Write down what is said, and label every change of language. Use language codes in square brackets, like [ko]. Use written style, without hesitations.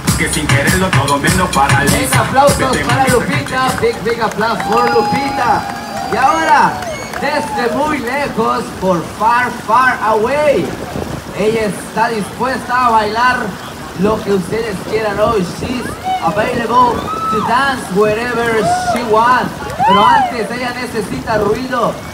[es] Que sin quererlo todo me lo paraliza. Big aplausos para Lupita. Big, big aplausos por Lupita. Y ahora, desde muy lejos, por [en] far, far away, [es] ella está dispuesta a bailar lo que ustedes quieran hoy. [en] She's available to dance wherever she wants. [es] Pero antes, ella necesita ruido.